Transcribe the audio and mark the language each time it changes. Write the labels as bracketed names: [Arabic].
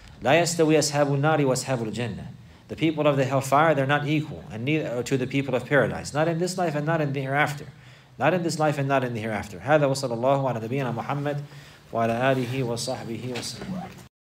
[Arabic] لا يستوي أصحاب النار وأصحاب الجنة. [English] The people of the hellfire, they're not equal and neither to the people of paradise. Not in this life and not in the hereafter. [Arabic] هذا وصلى الله على نبينا محمد وعلى آله وصحبه وسلم.